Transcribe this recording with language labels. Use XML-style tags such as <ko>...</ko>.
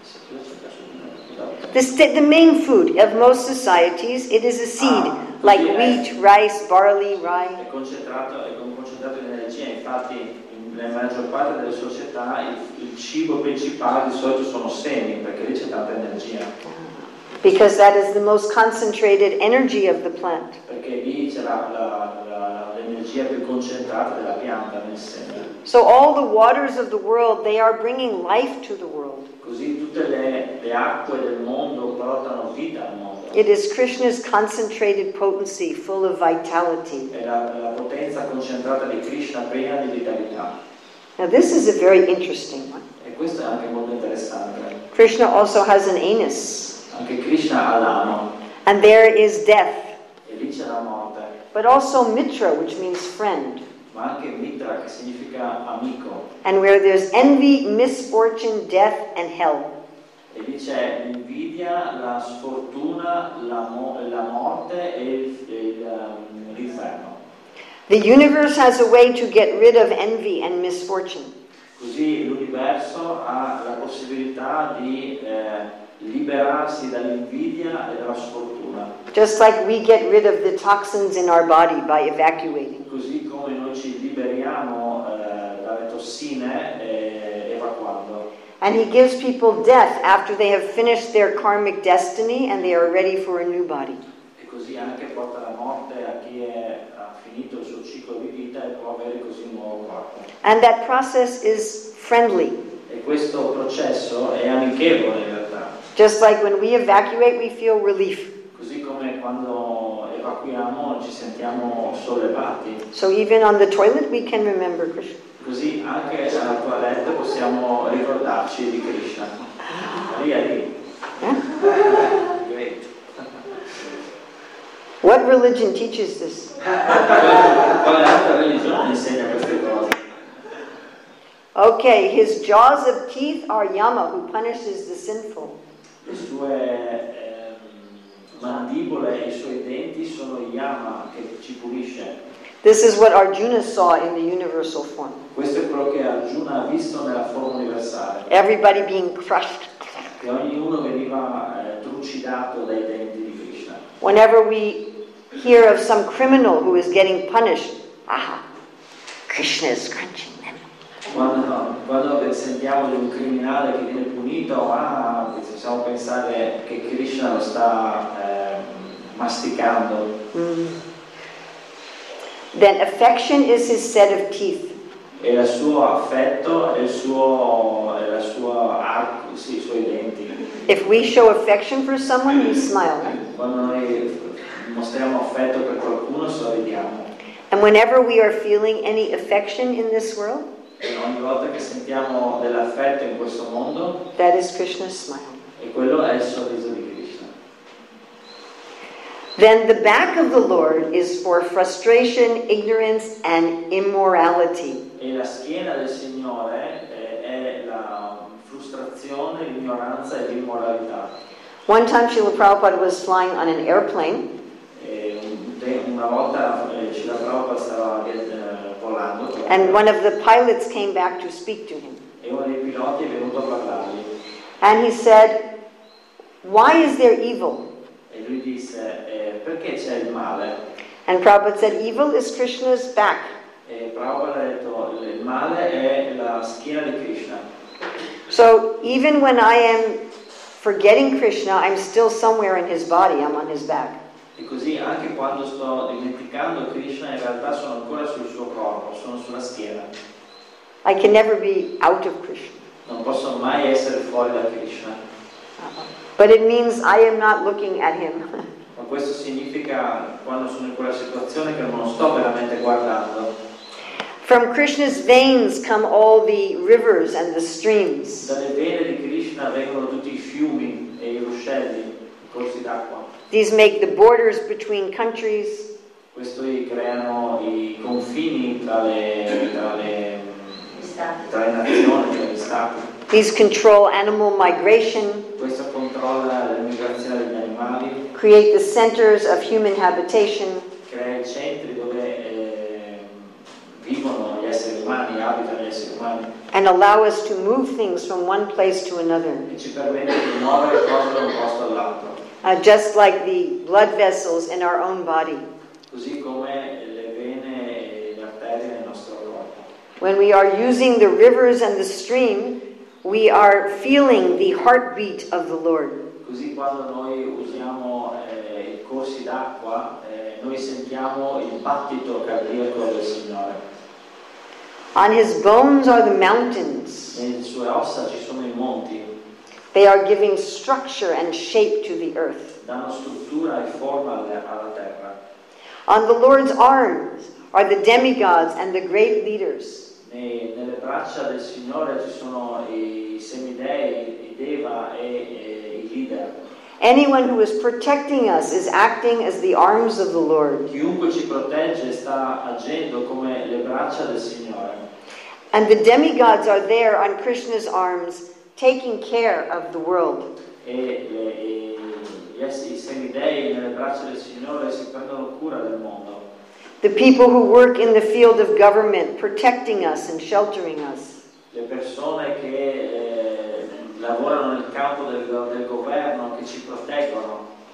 <en>The main food of most societies it is a seed. Like wheat, rice, barley, rye.</en> <it>È concentrato in energia, infatti nella maggior parte delle società il cibo principale di solito sono semi, perché lì c'è tanta energia.</it> <en>Because that is the most concentrated energy of the plant.</en> <it>Perché lì c'è l'energia più concentrata della pianta nel seme.</it> <en>So all the waters of the world, they are bringing life to the world.</en> <it>Così tutte le acque del mondo portano vita al mondo.</it> <en>It is Krishna's concentrated potency, full of vitality.</en> <it>È la potenza concentrata di Krishna, piena di vitalità.</it> <en>Now this is a very interesting one.</en> <it>E questo è anche molto interessante.</it> <en>Krishna also has an anus.</en> <it>Anche Krishna ha l'ano.</it> <en>And there is death.</en> <it>E lì c'è la morte.</it> <en>But also Mitra, which means friend.</en> <it>Ma anche Mitra, che significa amico.</it> <en>And where there's envy, misfortune, death, and hell.</en> <it>E lì c'è l'invidia, la sfortuna, la morte e l'inferno.</it> <en>The universe has a way to get rid of envy and misfortune.</en> <it>Così l'universo ha la possibilità di liberarsi dall'invidia e dalla sfortuna.</it> <en>Just like we get rid of the toxins in our body by evacuating.</en> <it>Così come noi ci liberiamo dalle tossine evacuando.</it> <en>And he gives people death after they have finished their karmic destiny and they are ready for a new body.</en> <it>E così anche porta la morte a chi è finito il suo ciclo di vita e può avere così un nuovo corpo.</it> <en>And that process is friendly.</en> <it>E questo processo è amichevole in realtà.</it> <en>Just like when we evacuate, we feel relief.</en> <it>Così come quando evacuiamo ci sentiamo sollevati.</it> <en>So even on the toilet we can remember Krishna.</en> <it>Così anche alla toilette possiamo ricordarci di Krishna.</it> <en>What religion teaches this?</en> <it>Qual altra religione insegna queste cose?</it> <en>Okay, his jaws of teeth are Yama, who punishes the sinful.</en> <it>Le sue mandibole e i suoi denti sono Yama che ci pulisce.</it> <en>This is what Arjuna saw in the universal form.</en> <it>Questo è quello che Arjuna ha visto nella forma universale.</it> <en>Everybody being crushed.</en> <it>E ognuno veniva trucidato dai denti di Krishna.</it> <en>Whenever we hear of some criminal who is getting punished, aha, Krishna is crunching them.</en> <it>Quando sentiamo di un criminale che viene punito, possiamo pensare che Krishna lo sta masticando. Mm-hmm.</it> <en>Then affection is his set of teeth.</en> <it>E il suo affetto è il suo e la sua arco, sì, i suoi denti.</it> <en>If we show affection for someone, we smile.</en> <it>Quando noi mostriamo affetto per qualcuno, sorridiamo.</it> <en>And whenever we are feeling any affection in this world,</en> <it>e ogni volta che sentiamo dell'affetto in questo mondo,</it> <en>that is Krishna's smile.</en> <it>E quello è il sorriso di Krishna.</it> <en>Then the back of the Lord is for frustration, ignorance, and immorality.</en> <it>E la schiena del Signore è la frustrazione, ignoranza e immoralità.</it> <en>One time Srila Prabhupada was flying on an airplane.</en> <it>Una volta Srila Prabhupada stava volando.</it> <en>And one of the pilots came back to speak to him.</en> <it>E uno dei piloti è venuto a parlargli.</it> <en>And he said, "Why is there evil?"</en> <it>E lui disse, "Perché c'è il male?"</it> <en>And Prabhupada said, "Evil is Krishna's back."</en> <it>E Prabhupada ha detto, "Il male è la schiena di Krishna."</it> <en>So even when I am forgetting Krishna, I'm still somewhere in his body, I'm on his back.</en> <it>E così anche quando sto dimenticando Krishna, in realtà sono ancora sul suo corpo, sono sulla schiena.</it> <en>I can never be out of Krishna.</en> <it>Non posso mai essere fuori da Krishna.</it> <en>But it means I am not looking at him.</en> <it>Ma questo significa quando sono in quella situazione che non sto veramente guardando.</it> <en>From Krishna's veins come all the rivers and the streams.</en> <it>Dalle vene di Krishna vengono tutti i fiumi e i ruscelli, i corsi d'acqua.</it> <en>These make the borders between countries.</en> <it>Questo creano i confini tra le nazioni, tra gli stati.</it> <en>These control animal migration.</en> <it>Questo controlla la migrazione degli animali.</it> <en>Create the centers of human habitation.</en> <it>Crea i centri dove vivono gli esseri umani, abitano gli esseri umani.</it> <en>And allow us to move things from one place to another.</en> <it>E ci permette di muovere cose da un posto all'altro.</it> <en>Just like the blood vessels in our own body.</en> <it>Così come le vene e le arterie nel nostro corpo.</it> <en>When we are using the rivers and the stream, we are feeling the heartbeat of the Lord.</en> <it>Così quando noi usiamo i corsi d'acqua, noi sentiamo il battito cardiaco del Signore.</it> <en>On his bones are the mountains.</en> <it>Nelle sue ossa ci sono i monti.</it> <en>They are giving structure and shape to the earth.</en> <it>Danno struttura e forma alla terra.</it> <en>On the Lord's arms are the demigods and the great leaders.</en> <it>Nelle braccia del Signore ci sono i semidei, i deva e i leader.</it> <en>Anyone who is protecting us is acting as the arms of the Lord.</en> <it>Chiunque ci protegge sta agendo come le braccia del Signore.</it> <en>And the demigods are there on Krishna's arms, taking care of the world. The people who work in the field of government, protecting us and sheltering us.</en> <it>le persone che lavorano nel campo del governo, che ci proteggono.</it>